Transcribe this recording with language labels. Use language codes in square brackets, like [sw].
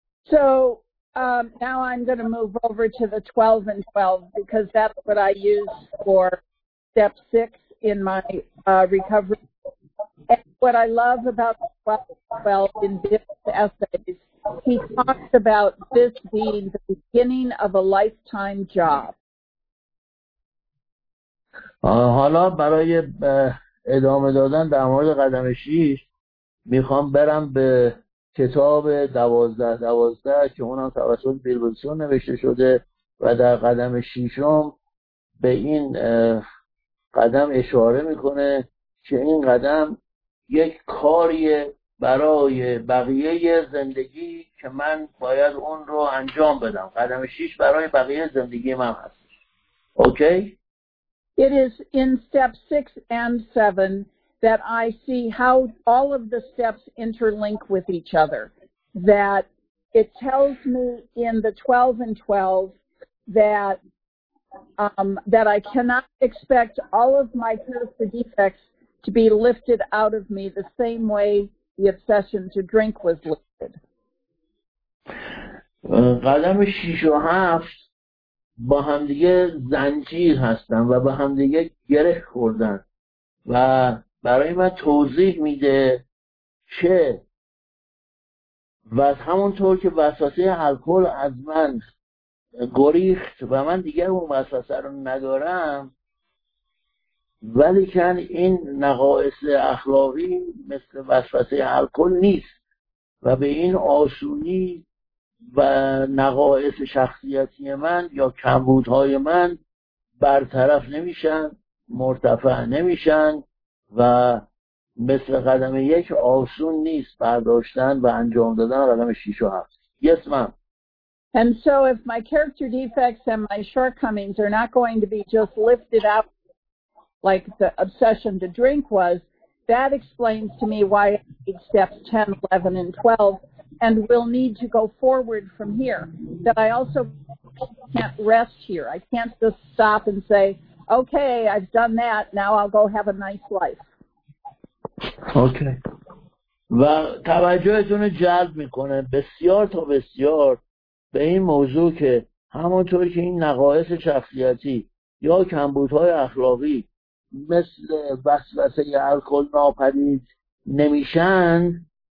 [en] So now I'm going to move over to the 12 and 12 because that's what I use for step 6 in my recovery. And what I love about the 12 and 12 in Biff's essays, he talks about this being the beginning of a lifetime job. [fa] حالا برای ادامه دادن در مورد قدم 6 میخوام برم به کتاب 12-12 که اونم توسط بیل ویلسون نوشته شده و در قدم شیشم به این قدم اشاره میکنه که این قدم یک کاریه برای بقیه زندگی که من باید اون رو انجام بدم. قدم 6 برای بقیه زندگی من هست. [en] Okay? It is in step 6 and 7 that I see how all of the steps interlink with each other. That it tells me in the 12 and 12 that that I cannot expect all of my character defects to be lifted out of me the same way the obsession to drink was lifted. [fa] قدم 6 و 7 با هم دیگه زنجیر هستن و با هم دیگه گره خوردن و برای من توضیح میده چه و همونطور که وسوسه الکل از من گریخت و من دیگر اون وسوسه رو ندارم ولیکن این نقایص اخلاقی مثل وسوسه الکل نیست و به این آسونی و نقایص شخصیتی من یا کمبودهای من برطرف نمیشن مرتفع نمیشن و مثل قدم 1 آسون نیست برداشتن و انجام دادن قدم 6 و 7. [en] Yes, ma'am. And so if my character defects and my shortcomings are not going to be just lifted out like the obsession to drink was, that explains to me why I need steps 10, 11, and 12 and will need to go forward from here. That I also can't rest here. I can't just stop and say, okay, I've done that, now I'll go have a nice life. [fa] اوکی و توجهتون رو جلب میکنه بسیار تا بسیار به این موضوع که همونطور که این نقایص شخصیتی یا کمبودهای اخلاقی مثل وسوسه الکل ناپدید نمیشن